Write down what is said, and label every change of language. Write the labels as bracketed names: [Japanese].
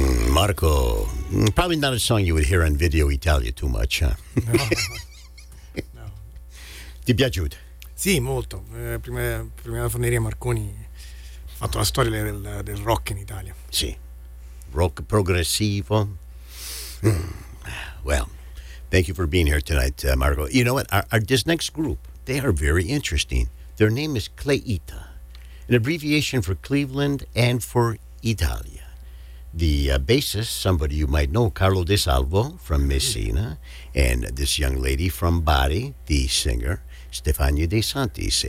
[English] Marco, probably not a song you would hear on Video Italia too much, huh? No. No. [Italian] Ti piaciuto? Sì, molto. Prima della Forneria Marconi ha fatto la storia del rock in Italia. Sì. Rock progressivo. [English] Well, thank you for being here tonight, Marco. You know what? This next group, they are very interesting. Their name is Cleita, an abbreviation for Cleveland and for Italia. The bassist, somebody you might know, Carlo De Salvo from Messina, and this young lady from Bari, the singer, Stefania De Santis.